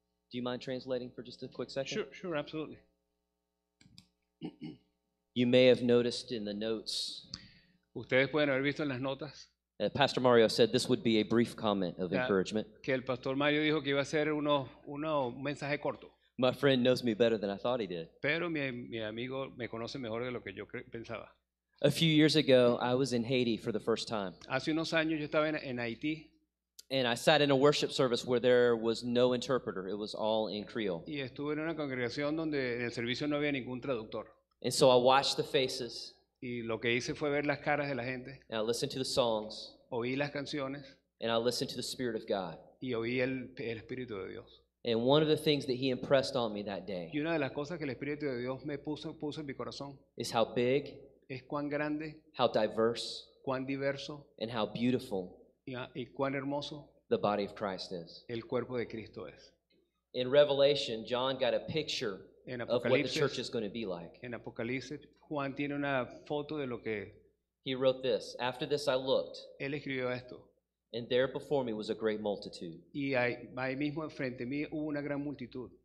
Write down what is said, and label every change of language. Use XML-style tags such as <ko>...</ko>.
<en>Do you mind translating for just a quick second? Sure, absolutely. You may have noticed in the notes.</en> <es>Ustedes pueden haber visto en las notas.</es> <en>Pastor Mario said this would be a brief comment of encouragement.</en> <es>Que el Pastor Mario dijo que iba a ser uno mensaje corto.</es> <en>My friend knows me better than I thought he did.</en> <es>Pero mi amigo me conoce mejor de lo que yo pensaba.</es> <en>A few years ago, I was in Haiti for the first time.</en> <es>Hace unos años yo estaba en Haití.</es> <en>And I sat in a worship service where there was no interpreter. It was all in Creole.</en> <es>Y estuve en una congregación donde en el servicio no había ningún traductor.</es> <en>And so I watched the faces.</en> <es>Y lo que hice fue ver las caras de la gente.</es> <en>And I listened to the songs.</en> <es>Oí las canciones.</es> <en>And I listened to the Spirit of God.</en> <es>Y oí el Espíritu de Dios.</es> <en>And one of the things that he impressed on me that day.</en> <es>Y una de las cosas que el Espíritu de Dios me puso en mi corazón.</es> <en>Is how big.</en> <es>Es cuán grande.</es> <en>How diverse.</en> <es>Cuán diverso.</es> <en>And how beautiful.</en> <es>Y cuán hermoso</es> <en>the body of Christ is.</en> <es>El cuerpo de Cristo es.</es> <en>In Revelation, John got a picture</en> <es>en</es> <en>of what the church is going to be like.</en> <es>En Apocalipsis, Juan tiene una foto de lo que.</es> <en>He wrote this. After this, I looked.</en> <es>Él escribió esto.</es> <en>And there before me was a great multitude.</en> <es>Y ahí mismo enfrente mí hubo una gran multitud.</es>